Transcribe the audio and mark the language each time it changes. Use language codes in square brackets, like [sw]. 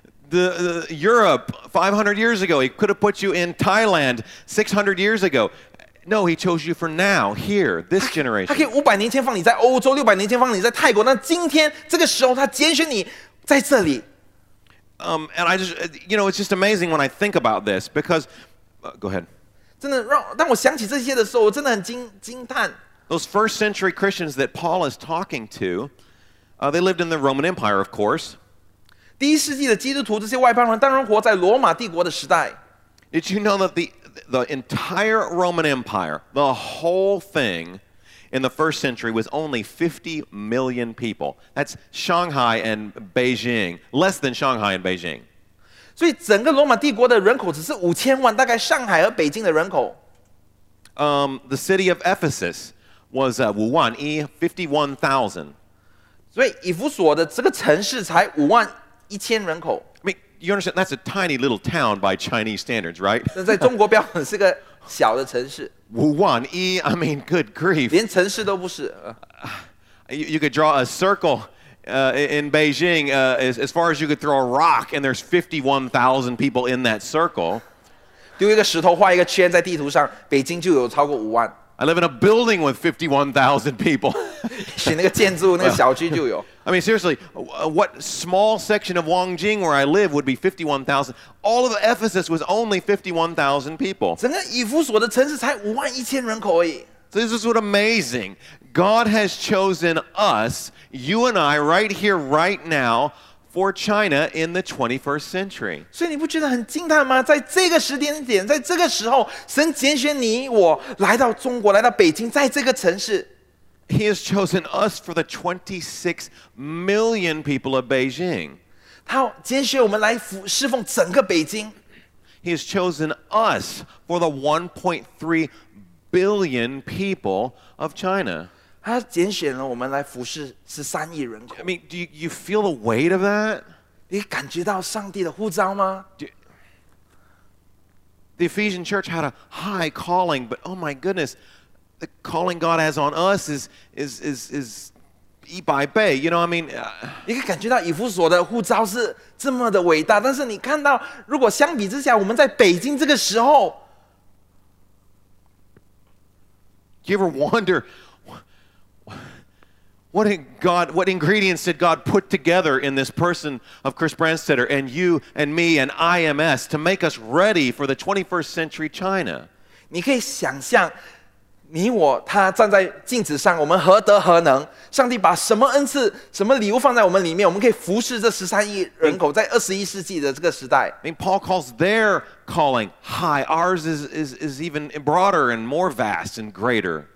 [en] the Europe 500 years ago. He could have put you in Thailand 600 years ago. No, he chose you for now, here, this generation. [zh] 他可以500年前放你在欧洲，600年前放你在泰国，那今天这个时候他拣选你在这里。 [en] And I just, you know, it's just amazing when I think about this, because, go ahead. [zh] 真的让当我想起这些的时候，我真的很惊叹。 [en] Those first century Christians that Paul is talking to, they lived in the Roman Empire, of course. [zh] 第一世纪的基督徒，这些外邦人当然活在罗马帝国的时代。 [en] Did you know that the entire Roman Empire, the whole thing in the first century was only 50 million people? That's Shanghai and Beijing, less than Shanghai and Beijing. [zh] 所以整个罗马帝国的人口只是5000万，大概上海和北京的人口。 [en] The city of Ephesus was 51,000. [zh] 所以以弗所的这个城市才五万一千人口。 [en] I mean, you understand, that's a tiny little town by Chinese standards, right? [zh] 在中国标准是个小的城市。 [en] Wuhan, I mean, good grief. [zh] 连城市都不是。 [en] You could draw a circle in Beijing as far as you could throw a rock, and there's 51,000 people in that circle. [zh] 丢一个石头画一个圈在地图上，北京就有超过五万。 [en] I live in a building with 51,000 people. [zh] 选那个建筑，那个小区就有。 [en] I mean, seriously, what small section of Wangjing where I live would be 51,000? All of Ephesus was only 51,000 people. [zh] 整个以弗所的城市才五万一千人口而已。 [en] So this is what amazing. God has chosen us, you and I, right here, right now, for China in the 21st century. [zh] 所以你不觉得很惊叹吗？在这个时间点，在这个时候，神拣选你我来到中国，来到北京，在这个城市。 [en] He has chosen us for the 26 million people of Beijing. [zh] 他拣选我们来侍奉整个北京。 [en] He has chosen us for the 1.3 billion people of China. [zh] 他拣选了我们来服侍13亿人口。 [en] I mean, do you feel the weight of that? [zh] 你感觉到上帝的呼召吗？ [en] The Ephesian church had a high calling, but oh my goodness,The calling God has on us is [zh] 一百倍 [en] you know, I mean, [zh] 你可以感觉到以弗所的呼召是这么的伟大，但是你看到，如果相比之下，我们在北京这个时候 [en] ，You ever wonder what ingredients did God put together in this person of Chris Brandstetter and you and me and IMS to make us ready for the 21st century China？ [zh] 你可以想象。你我他站在镜子上，我们何德何能？上帝把什么恩赐、什么礼物放在我们里面？我们可以服侍这十三亿人口，在21世纪的这个时代。 [en] I mean, Paul calls their calling high. Ours is even broader and more vast and greater.